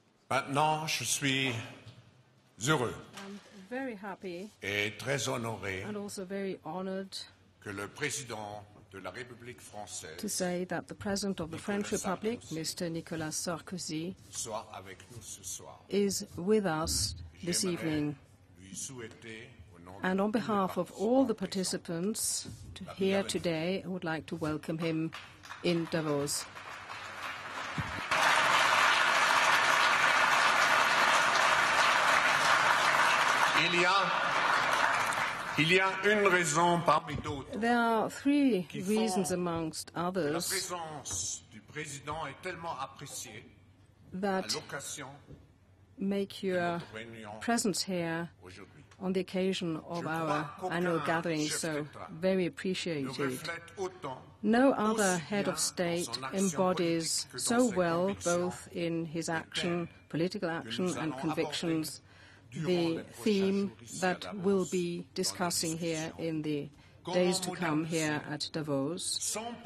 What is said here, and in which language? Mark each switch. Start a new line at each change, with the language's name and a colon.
French: Maintenant, je suis heureux.
English: I'm very happy
French: et très honoré
English: and also very honored
French: que le président de la République française,
English: to say that the President of the French Republic, Mr.
French: Nicolas Sarkozy, soit avec nous ce soir.
English: Is with us this evening.
French: Lui souhaiter
English: And on behalf of all the participants here today, I would like to welcome him in Davos.
French: Il y a une raison parmi d'autres.
English: There are three reasons amongst others.
French: La présence du président est tellement appréciée
English: that make your presence here
French: aujourd'hui.
English: On the occasion of our annual gathering, so very appreciated. No other head of state embodies so well, both in his action, political action and convictions, the theme that we'll be discussing here in the days to come here at Davos,